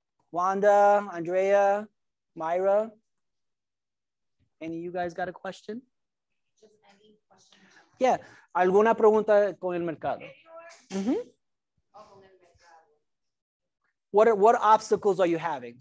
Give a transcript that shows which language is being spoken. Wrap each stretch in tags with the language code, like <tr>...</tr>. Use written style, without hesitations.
<en>Wanda, Andrea, Myra, any of you guys got a question? Just any question.</en> <es>Yeah, alguna pregunta con el mercado.</es> <en>What obstacles are you having?</en>